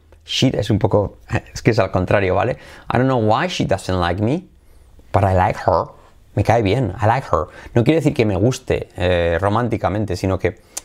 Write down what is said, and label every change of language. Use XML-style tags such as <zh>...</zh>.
<es>She es un poco, es que es al contrario, ¿vale?</es> <en>I don't know why she doesn't like me, but I like her.</en> <es>Me cae bien,</es> <en>I like her.</en> <es>No quiere decir que me guste románticamente, sino que...</es>